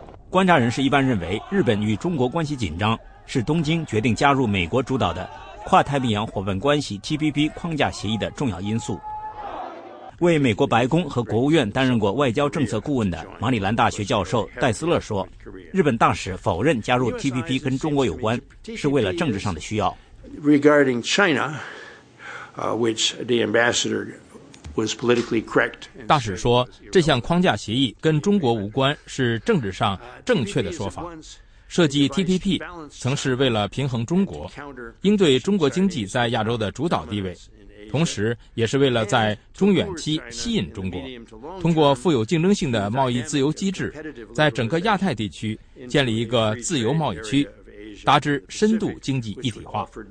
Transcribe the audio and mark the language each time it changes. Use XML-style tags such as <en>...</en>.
<zh>观察人士一般认为，日本与中国关系紧张是东京决定加入美国主导的跨太平洋伙伴关系 TPP 框架协议的重要因素。为美国白宫和国务院担任过外交政策顾问的马里兰大学教授戴斯勒说，日本大使否认加入 TPP 跟中国有关是为了政治上的需要。</zh> <en>Regarding China, which the ambassador was politically correct,</en> <zh>大使说这项框架协议跟中国无关是政治上正确的说法。设计 TPP 曾是为了平衡中国，应对中国经济在亚洲的主导地位，同时也是为了在中远期吸引中国，通过富有竞争性的贸易自由机制，在整个亚太地区建立一个自由贸易区，达至深度经济一体化。</zh>